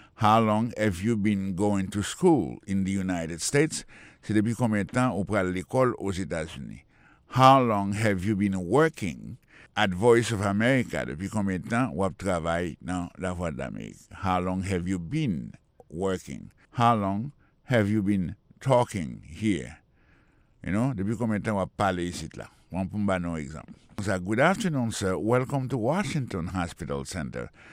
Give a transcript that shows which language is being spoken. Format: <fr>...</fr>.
<en>How long have you been going to school in the United States?</en> <fr>C'est depuis combien de temps on prend l'école aux États-Unis?</fr> <en>How long have you been working at Voice of America?</en> <fr>Depuis combien de temps vous travaillez dans la Voix d'Amérique?</fr> <en>How long have you been working? How long have you been talking here? You know,</en> <fr>depuis combien de temps vous parlez ici là? On peut pas donner un exemple.</fr> <en>Good afternoon, sir. Welcome to Washington Hospital Center.</en>